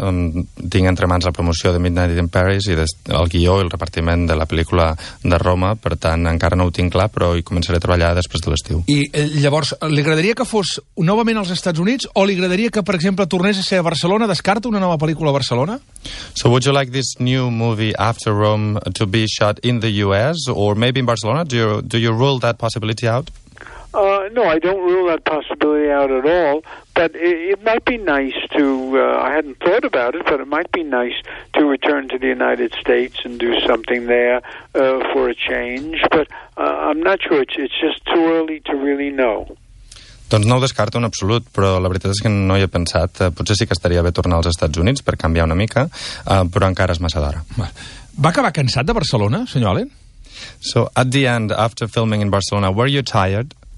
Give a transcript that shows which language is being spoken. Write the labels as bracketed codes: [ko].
[ca] Tinc entre mans la promoció de Midnight in Paris i el guió i el repartiment de la pel·lícula de Roma, per tant encara no ho tinc clar, però hi començaré a treballar després de l'estiu. I llavors, li agradaria que fos novament als Estats Units o li agradaria que, per exemple, tornés a ser a Barcelona? Descarta una nova pel·lícula a Barcelona? [en] So would you like this new movie After Rome to be shot in the US or maybe in Barcelona? Do you rule that possibility out? No, I don't rule that possibility out at all, but it might be nice to, I hadn't thought about it, but it might be nice to return to the United States and do something there for a change, but I'm not sure, it's just too early to really know. [ca] Doncs no ho descarto en absolut, però la veritat és que no hi he pensat. Potser sí que estaria bé tornar als Estats Units per canviar una mica, però encara és massa d'hora. Va acabar cansat de Barcelona, senyor Allen? [en] So, at the end, after filming in Barcelona, were you tired?